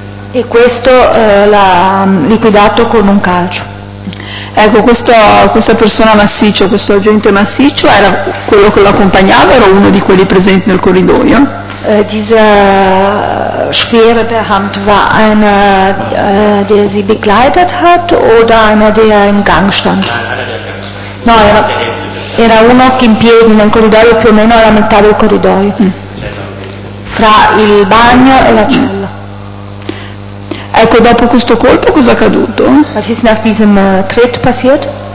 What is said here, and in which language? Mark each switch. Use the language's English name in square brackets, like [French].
[Italian] E questo l'ha liquidato con un calcio. Ecco, questa persona massiccia, questo agente massiccio, era quello che lo accompagnava, era uno di quelli presenti nel corridoio? [German] Dieser schwere Beamt war einer, der sie begleitet hat, oder einer, der im Gang stand? [Italian] No, era uno che in piedi nel corridoio, più o meno alla metà del corridoio, fra il bagno e la cella. Ecco, dopo questo colpo cosa è accaduto? [German] Was ist nach diesem Tritt passiert?